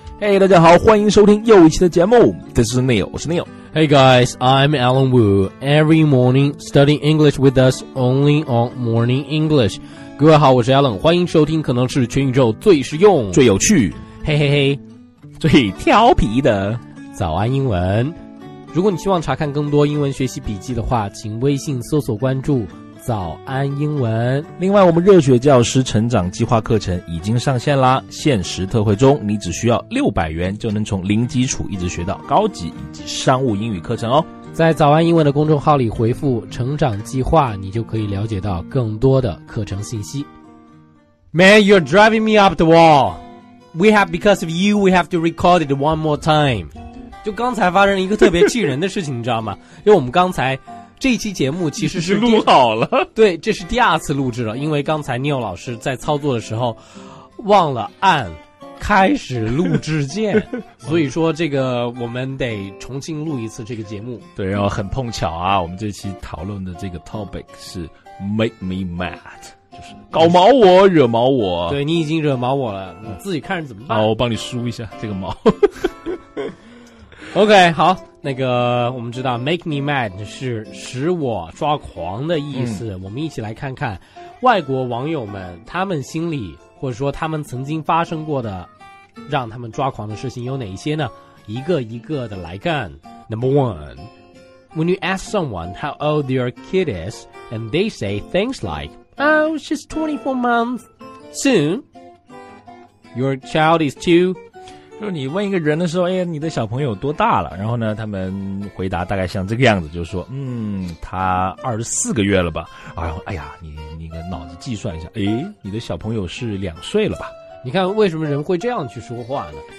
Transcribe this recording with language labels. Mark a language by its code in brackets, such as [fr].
[zh] Hey， 大家好，欢迎收听又一期的节目。 [en] This is Neil， [zh] 我是 [en] Neil。 Hey guys, I'm Alan Wu. Every morning, study English with us only on Morning English. [zh] 各位好，我是 Alan， 欢迎收听可能是全宇宙最实用、最有趣、嘿嘿嘿、最调皮的早安英文。如果你希望查看更多英文学习笔记的话，请微信搜索关注早安英文。另外，我们热血教师成长计划课程已经上线啦，限时特惠中，你只需要600元就能从零基础一直学到高级以及商务英语课程哦。在早安英文的公众号里回复成长计划，你就可以了解到更多的课程信息。 [en] Man, you're driving me up the wall. We have because of you, we have to record it one more time. [zh] 就刚才发生一个特别气人的事情你知道吗？因为我们刚才这一期节目其实是录好了，对，这是第二次录制了，因为刚才 Neil 老师在操作的时候忘了按开始录制键，所以说这个我们得重新录一次这个节目。对，然后很碰巧啊，我们这期讨论的这个 topic 是 [en] make me mad， [zh] 就是搞毛我、惹毛我。对，你已经惹毛我了，你自己看着怎么办？好，我帮你梳一下这个毛。 OK， 好，那个我们知道 [en] make me mad [zh] 是使我抓狂的意思、我们一起来看看外国网友们他们心里或者说他们曾经发生过的让他们抓狂的事情有哪一些呢？一个一个的来看。 [en] Number one, when you ask someone how old their kid is and they say things like, oh, she's 24 months soon, your child is too。 [zh] 就是你问一个人的时候，哎，你的小朋友多大了？然后呢，他们回答大概像这个样子，就是说，他24个月了吧？然后，哎呀，你个脑子计算一下，哎，你的小朋友是2岁了吧？你看为什么人会这样去说话呢？